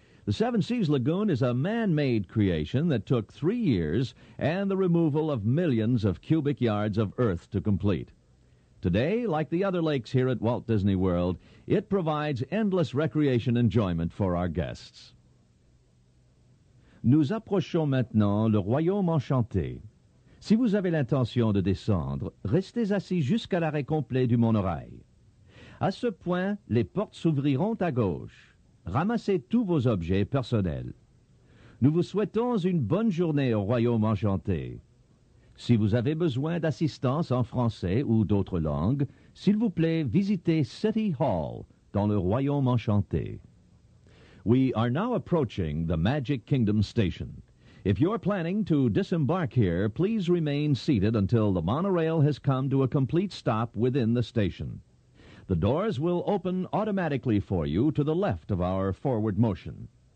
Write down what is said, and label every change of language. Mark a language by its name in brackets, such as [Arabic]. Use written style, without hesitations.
[English] The Seven Seas Lagoon is a man-made creation that took 3 years and the removal of millions of cubic yards of earth to complete. Today, like the other lakes here at Walt Disney World, it provides endless recreation enjoyment for our guests. [French] Nous approchons maintenant le Royaume Enchanté. Si vous avez l'intention de descendre, restez assis jusqu'à l'arrêt complet du monorail. À ce point, les portes s'ouvriront à gauche. Ramassez tous vos objets personnels. Nous vous souhaitons une bonne journée au Royaume Enchanté. Si vous avez besoin d'assistance en français ou d'autres langues, s'il vous plaît, visitez City Hall dans le Royaume Enchanté. [English] We are now approaching the Magic Kingdom Station. If you're planning to disembark here, please remain seated until the monorail has come to a complete stop within the station. The doors will open automatically for you to the left of our forward motion.